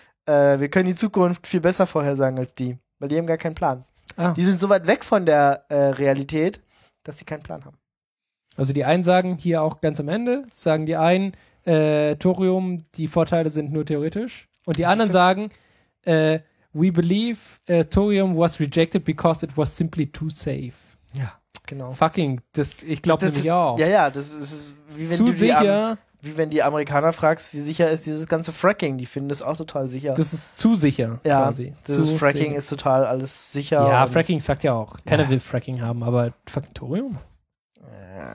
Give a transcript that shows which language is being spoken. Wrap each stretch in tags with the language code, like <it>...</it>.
<de>Wir können die Zukunft viel besser vorhersagen als die, weil die haben gar keinen Plan. Ah. Die sind so weit weg von der Realität, dass sie keinen Plan haben. Also die einen sagen hier auch ganz am Ende, sagen die einen, Thorium, die Vorteile sind nur theoretisch. Und die anderen sagen,</de> <en>we believe Thorium was rejected because it was simply too safe.</en> <de>Ja, genau. Fucking, das, ich glaube nämlich auch. Ja, das ist wie wenn zu sicher. Wie wenn die Amerikaner fragst, wie sicher ist dieses ganze Fracking? Die finden das auch total sicher. Das ist zu sicher, ja, quasi. Das Fracking sicher. Ist total alles sicher. Ja, Fracking sagt ja auch. Keiner will Fracking haben, aber fucking Thorium? Ja.</de>